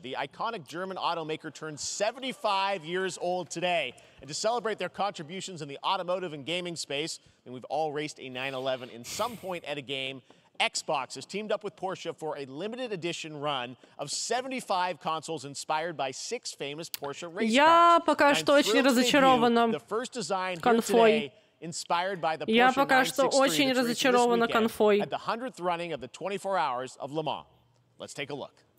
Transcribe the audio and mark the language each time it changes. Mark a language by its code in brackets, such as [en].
[en] The iconic German automaker turned 75 years old today. And to celebrate their contributions in the automotive and gaming space, and we've all raced a 911 in some point at a game, Xbox has teamed up with Porsche for a limited edition run of 75 consoles inspired by six famous Porsche race [ru] Я [en] cars. [ru] Пока что очень разочарована конфой. Я пока что очень разочарована конфой. [en] At the 100th running of the 24 hours of Le Mans. Let's take a look.